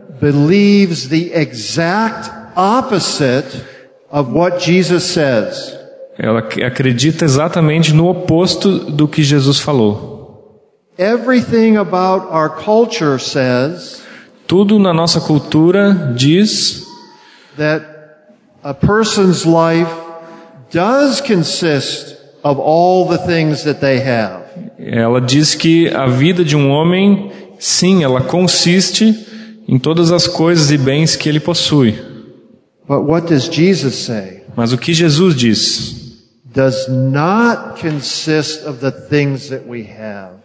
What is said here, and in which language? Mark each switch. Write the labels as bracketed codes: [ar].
[en] believes the exact opposite of what Jesus says. [pt] Ela acredita exatamente no oposto do que Jesus falou. [en] Everything about our culture says. [pt] Tudo na nossa cultura diz [en] that a person's life does consist of all the things that they have. [pt] Ela diz que a vida de um homem, sim, ela consiste em todas as coisas e bens que ele possui. [en] But what does Jesus say? [pt] Mas o que Jesus diz? [en] Does not consist of the things that we have.